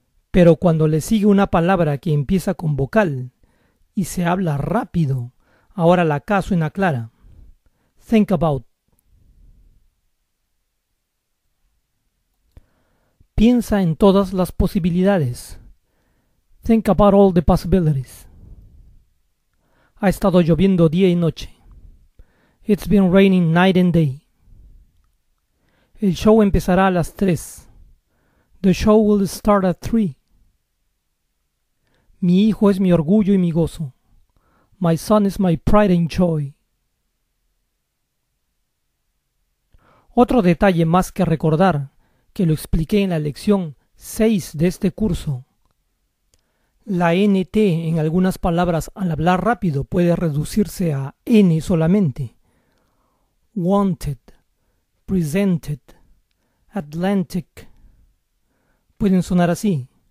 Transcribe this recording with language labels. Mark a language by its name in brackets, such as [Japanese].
[Spanish] Pero cuando le sigue una palabra que empieza con vocal y se habla rápido, ahora la K suena clara. [English] Think about. [Spanish] Piensa en todas las posibilidades. [English] Think about all the possibilities. [Spanish] Ha estado lloviendo día y noche. [English] It's been raining night and day. [Spanish] El show empezará a las 3. [English] The show will start at 3. [Spanish] Mi hijo es mi orgullo y mi gozo. [English] My son is my pride and joy. [Spanish] Otro detalle más que recordar, que lo expliqué en la lección 6 de este curso. La NT en algunas palabras al hablar rápido puede reducirse a N solamente. Wanted, presented, Atlantic. Pueden sonar así.